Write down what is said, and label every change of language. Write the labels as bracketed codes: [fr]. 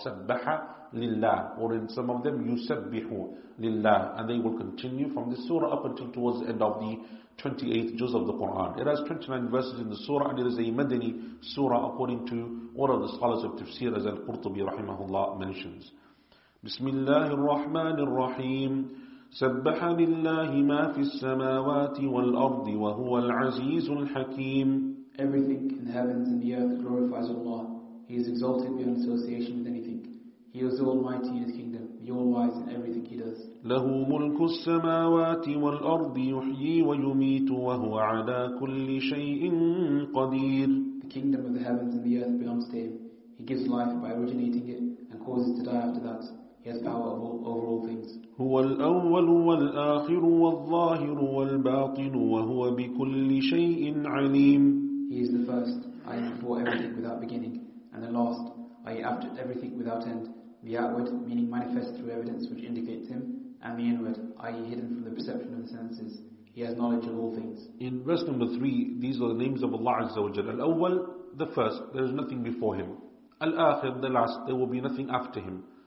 [ar] Sabbaha lillah. [en] Or in some of them, [ar] yusabbihu lillah. [en] And they will continue from this surah up until towards the end of the 28th juz of the Quran. It has 29 verses in the surah, and it is a Madani surah according to one of the scholars of tafsir, as Al-Qurtubi rahimahullah mentions. [ar] Bismillahir Rahmanir Rahim. سبح لله ما في السماوات والأرض وهو العزيز الحكيم [en] Everything in the heavens and the earth glorifies Allah. He is exalted beyond association with anything. He is the Almighty in His kingdom, the All-Wise in everything He does. [ar] له ملك السماوات والأرض يحيي ويميت وهو على كل شيء قدير [en] The kingdom of the heavens and the earth belongs to Him. He gives life by originating it and causes to die after that. He has power over all things. [ar] هو الأول والآخر والظاهر والباطن وهو بكل شيء عليم. [en] He is the first, i.e. before everything without beginning, and the last, i.e. after everything without end, the outward, meaning manifest through evidence which indicates him, and the inward, i.e. hidden from the perception of the senses. He has knowledge of all things. In verse number 3, these are the names of Allah Azza wa Jalla. Al-Awwal, the first, there is nothing before him. Al-Akhir, the last, there will be nothing after him.